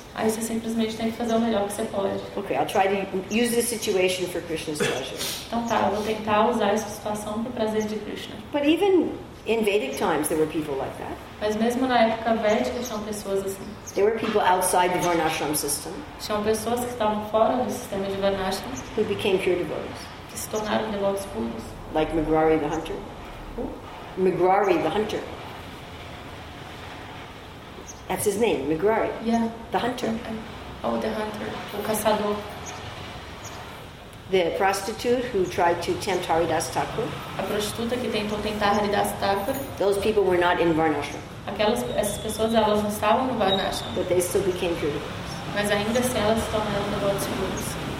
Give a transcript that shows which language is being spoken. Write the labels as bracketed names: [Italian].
[Portuguese] Aí você simplesmente tem que fazer o melhor que você pode. [English] Okay, I'll try to use this situation for Krishna's pleasure. [Portuguese] Então tá, eu vou tentar usar essa situação para o prazer de Krishna. [English] But even in Vedic times there were people like that. [Portuguese] Mas mesmo na época védica tinham pessoas assim. [English] There were people outside the varnashram system. [Portuguese] Tinham pessoas que estavam fora do sistema de varnashram. [English] Who became pure devotees. [Portuguese] Que se tornaram devotos puros. [English] Like Megrari the hunter. Who? Megrari the hunter. That's his name, Megrari. Yeah. The hunter. Oh, the hunter. [Portuguese] O caçador. [English] The prostitute who tried to tempt Haridas Thakur. [Portuguese] A prostituta que tentou tentar Haridas Thakur. [English] Those people were not in varnashram. [Portuguese] Aquelas, essas pessoas, elas não estavam no varnashram. [English] But they still became pure devotees. [Portuguese] Mas ainda assim elas se tornaram devotos puros.